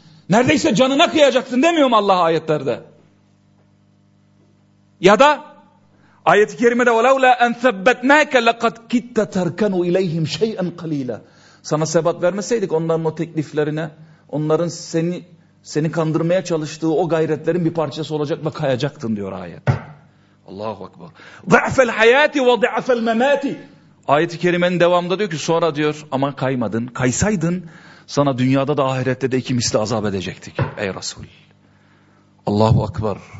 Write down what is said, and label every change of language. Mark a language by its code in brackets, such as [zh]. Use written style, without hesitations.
[tr] Neredeyse canına kıyacaktın demiyor mu Allah ayetlerde? Ya da ayet-i kerimede [ar] وَلَوْلَا اَنْ ثَبَّتْنَاكَ لَقَدْ كِتَّ تَرْكَنُوا اِلَيْهِمْ شَيْئًا قَلِيلًا. [tr] Sana sebat vermeseydik onların o tekliflerine, onların seni kandırmaya çalıştığı o gayretlerin bir parçası olacak ve kayacaktın diyor ayet. [ar] Allahu Ekber. ضَعْفَ الْحَيَاتِ وَضِعْفَ الْمَمَاتِ. [tr] Ayet-i kerimenin devamında diyor ki sonra diyor ama kaymadın, kaysaydın sana dünyada da ahirette de iki misli azap edecektik ey Resul. Allahu Ekber.